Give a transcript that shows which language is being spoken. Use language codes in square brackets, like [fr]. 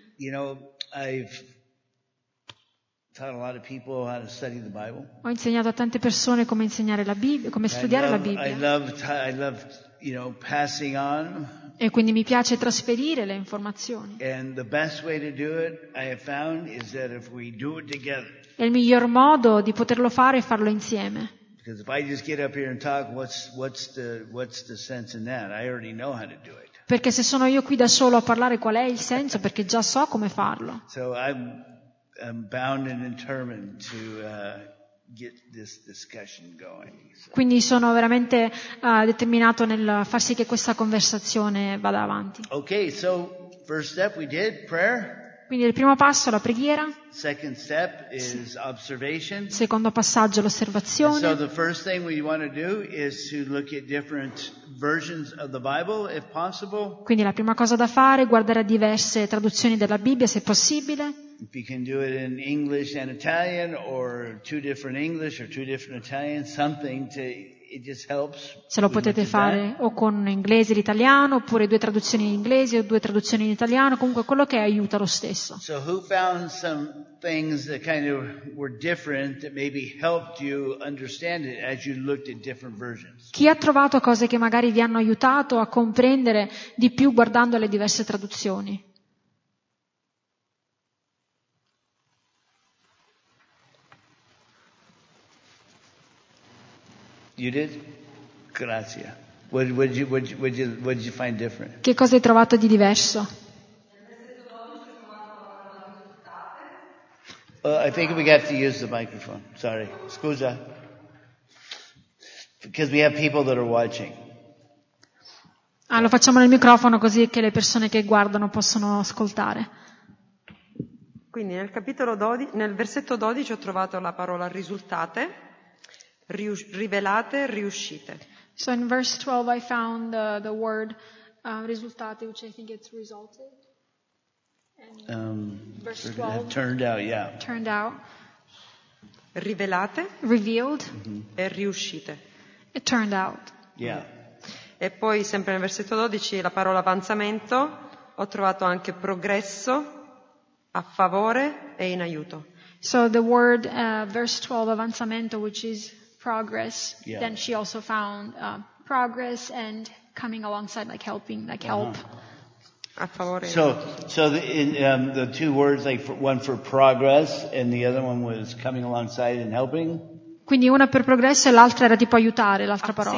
[en] You know, I've taught a lot of people how to study the Bible. [it] Ho insegnato a tante persone come insegnare la Bibbia, come studiare la Bibbia. [en] I love, you know, passing on. [it] E quindi mi piace trasferire le informazioni. [en] And the best way to do it, I have found, is that if we do it together. [it] E il miglior modo di poterlo fare è farlo insieme. [en] Because if I just get up here and talk, what's the sense in that? I already know how to do it. [it] Perché se sono io qui da solo a parlare, qual è il senso? Perché già so come farlo. [en] So I'm bound and determined to get this discussion going. [it] Quindi sono veramente determinato nel far sì che questa conversazione vada avanti. [en] Okay, so first step we did prayer. [it] Quindi il primo passo, la preghiera. [en] Second step is observation. [it] Secondo passaggio, l'osservazione. [en] So the first thing we want to do is to look at different versions of the Bible, if possible. [it] Quindi la prima cosa da fare è guardare diverse traduzioni della Bibbia, se possibile. [en] If you can do it in English and Italian, or two different English or two different Italian, something to it just helps. [it] Se lo potete fare o con inglese e l'italiano, oppure due traduzioni in inglese o due traduzioni in italiano, comunque quello che aiuta lo stesso. [en] So who found some things that kind of were different that maybe helped you understand it as you looked at different versions? [it] Chi ha trovato cose che magari vi hanno aiutato a comprendere di più guardando le diverse traduzioni? [en] You did? Grazie. What did you find different? [it] Che cosa hai trovato di diverso? [en] I think we have to use the microphone. Sorry. [it] Scusa. [en] Because we have people that are watching. [it] Ah, lo facciamo nel microfono così che le persone che guardano possono ascoltare. Quindi nel capitolo 12, nel versetto 12 ho trovato la parola risultate, rivelate, riuscite. [en] So in verse 12 I found the word risultate, which I think it's resulted. And verse 12, turned out, yeah. Turned out. [it] Rivelate. [en] Revealed. [it] Mm-hmm. E riuscite. [en] It turned out. Yeah. [it] E poi, sempre nel versetto 12, la parola avanzamento, ho trovato anche progresso, a favore e in aiuto. [en] So the word, verse 12, avanzamento, which is progress, yeah. Then she also found progress and coming alongside, like helping, like uh-huh. help. [it] A favore. [en] So the two words, like one for progress and the other one was coming alongside and helping? [it] Quindi una per progresso e l'altra era tipo aiutare, l'altra parola.